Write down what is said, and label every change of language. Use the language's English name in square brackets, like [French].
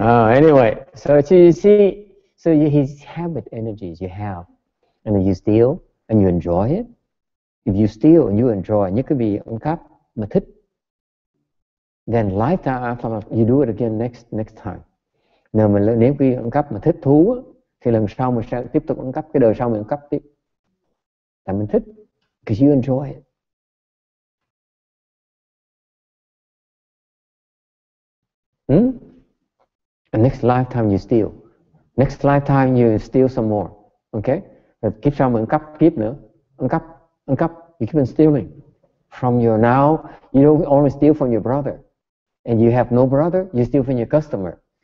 [English] Anyway, so you see, so his habit energies you have, and you steal and you enjoy it. If you steal and you enjoy, you could be [Vietnamese] ăn cắp mà thích. [English] Then lifetime after life, you do it again next time. [Vietnamese] Nếu mình nếu khi ăn cắp mà thích thú, thì lần sau mình sẽ tiếp tục ăn cắp, cái đời sau mình ăn cắp tiếp. Tại mình thích, [English] because you enjoy it. And next lifetime you steal. Next lifetime you steal some more. Okay? [Vietnamese] Kiếp sau mình ăn cắp kiếp nữa. Ăn cắp, [English] you keep on stealing. From your now, you don't only steal from your brother. And you have no brother, you steal from your customer.